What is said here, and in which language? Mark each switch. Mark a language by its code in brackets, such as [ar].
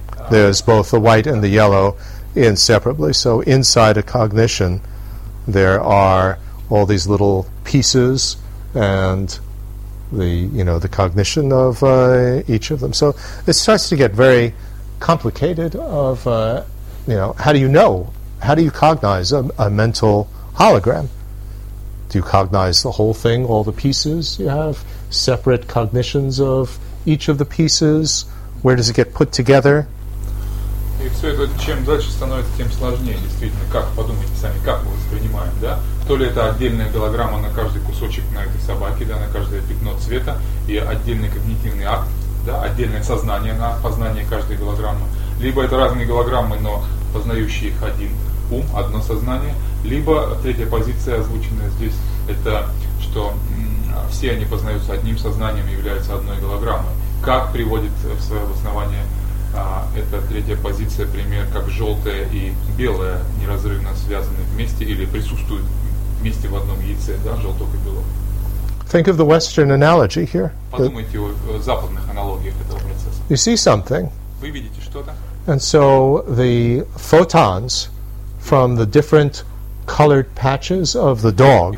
[en] There's both the white and the yellow inseparably. So inside a cognition, there are all these little pieces and the cognition of each of them. So it starts to get very complicated of, how do you know? How do you cognize a mental hologram? Do you cognize the whole thing, all the pieces? You have separate cognitions of each of the pieces? Where does it get put together? [ru] И все это, чем дальше становится, тем сложнее, действительно. Как, подумайте сами, как мы воспринимаем, да? То ли это отдельная голограмма на каждый кусочек на этой собаке, да, на каждое пятно цвета, и отдельный когнитивный акт, да, отдельное сознание на познание каждой голограммы. Либо это разные голограммы, но познающие их один ум, одно сознание. Либо третья позиция, озвученная здесь, это что все они познаются одним сознанием и являются одной голограммой. Как приводит в свое обоснование эта третья позиция пример, как желтое и белое неразрывно связаны вместе или присутствуют вместе в одном яйце, да, желток и белок. [en] Think of the Western analogy here. [ru] Подумайте о западных аналогиях этого процесса. [en] You see something. [ru] Вы видите что-то. [en] And so the photons from the different colored patches of the dog.